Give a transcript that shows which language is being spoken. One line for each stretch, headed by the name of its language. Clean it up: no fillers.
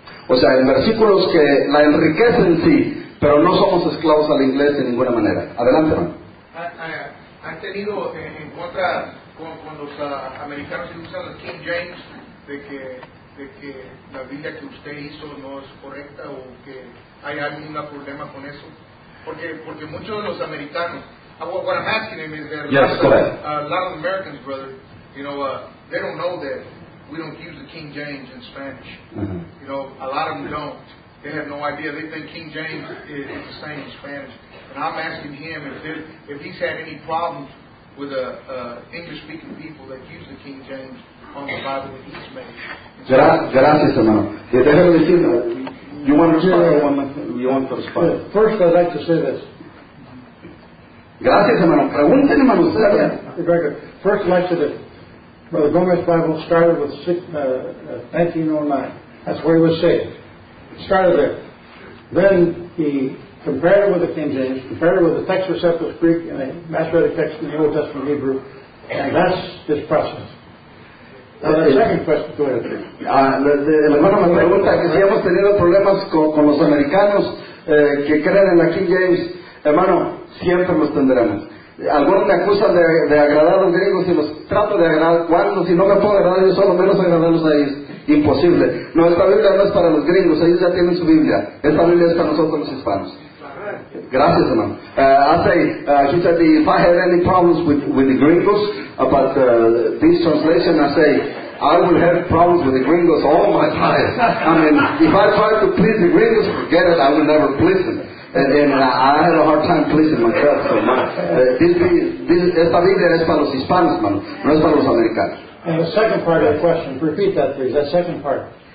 Spanish: O sea, en versículos que la enriquecen, sí, pero no somos esclavos al inglés de ninguna manera. Adelante, hermano. ¿Han tenido en contra con los americanos que usan el King James de que la Biblia que usted hizo no es correcta o que hay algún problema con eso? Porque muchos de los americanos,
English: what I'm asking him is that a lot of Americans, brother, you know, they don't know that we don't use the King James in Spanish. Mm-hmm. You know, a lot of them don't. They have no idea. They think King James is the same in Spanish. And I'm asking him if he's had any problems with English-speaking people that use the King James on the Bible that he's made.
Spanish: Gracias, hermano.
English: You want to respond? First, I'd like to say this.
Spanish: Gracias, hermano. Pregúntenme, hermano.
English: First, I'd like to say this. Brother Gomez's Bible started with 1909. That's where he was saved. It started there. Then he compared it with the King James, compared it with the Text Receptus Greek and the Masoretic Text in the Old Testament Hebrew, and that's this process. Now, the second question, go ahead.
Spanish: El hermano me pregunta que si hemos tenido problemas con los americanos que creen en la King James. Hermano, siempre los tendremos. Algunos me acusan de agradar a los griegos y los trato de agradar. ¿Cuándo? Si no me puedo agradar, yo solo menos agradarlos a ellos. Imposible. Nuestra Biblia no es para los gringos, ellos ya tienen su Biblia. Esta Biblia es para nosotros los hispanos. Gracias, hermano.
English: He said, if I had any problems with the gringos about this translation, I say, I will have problems with the gringos all my time. I mean, if I try to please the gringos, forget it, I will never please them. And I had a hard time pleasing myself, so man.
Spanish: Esta Biblia es para los hispanos, man, no es para los americanos.
English: And the second part of the question, repeat that please, that second part.